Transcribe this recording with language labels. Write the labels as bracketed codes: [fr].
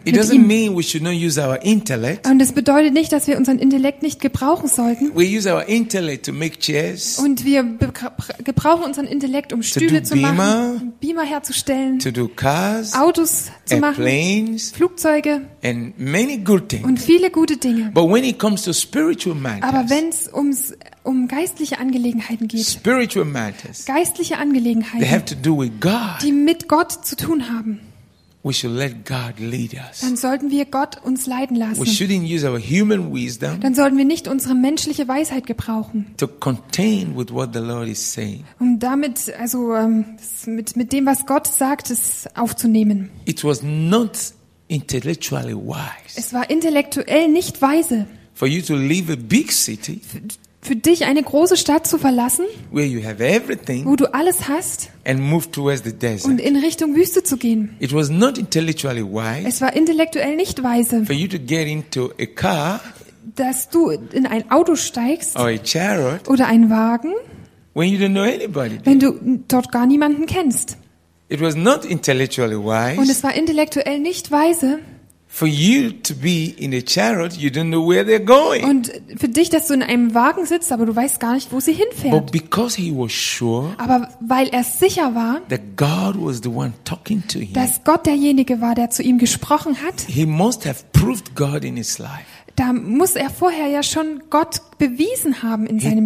[en] It doesn't mean we should not use our intellect. [de] Und es bedeutet nicht, dass wir unseren Intellekt nicht gebrauchen. [en] We use our intellect to make chairs. [de] Und wir gebrauchen unseren Intellekt, um Stühle zu machen, Beamer herzustellen, [en] to do cars, [de] Autos zu machen, [en] planes, [de] Flugzeuge [en] and many good things. [de] Und viele gute Dinge. [en] But when it comes to spiritual matters, [de] aber wenn es um geistliche Angelegenheiten geht, [en] spiritual matters, [de] geistliche Angelegenheiten, [en] they have to do with God. [de] Die mit Gott zu tun haben. [en] We should let God lead us. [de] Dann sollten wir Gott uns leiten lassen. [en] We shouldn't use our human wisdom. [de] Dann sollten wir nicht unsere menschliche Weisheit gebrauchen. [en] To contain with what the Lord is saying. [de] Um damit, also mit dem, was Gott sagt, es aufzunehmen. [en] It was not intellectually wise. [de] Es war intellektuell nicht weise. [en] For you to leave a big city. [de] Für dich eine große Stadt zu verlassen, [en] where you have everything, [de] wo du alles hast, [en] and move towards the desert. [de] Und in Richtung Wüste zu gehen. [en] It was not intellectually wise, [de] es war intellektuell nicht weise, [en] for you to get into a car, [de] dass du in ein Auto steigst, [en] or a chariot, [de] oder einen Wagen, [en] when you don't know anybody, [de] wenn du dort gar niemanden kennst. [en] It was not intellectually wise, [de] und es war intellektuell nicht weise, [en] for you to be in a chariot, you don't know where they're going. [de] Und für dich, dass du in einem Wagen sitzt, aber du weißt gar nicht, wo sie hinfährt. [en] But because he was sure, [de] aber weil er sicher war, [en] that God was the one talking to him, [de] dass Gott derjenige war, der zu ihm gesprochen hat, [en] he must have proved God in his life. [de] Da muss er vorher ja schon Gott bewiesen haben in seinem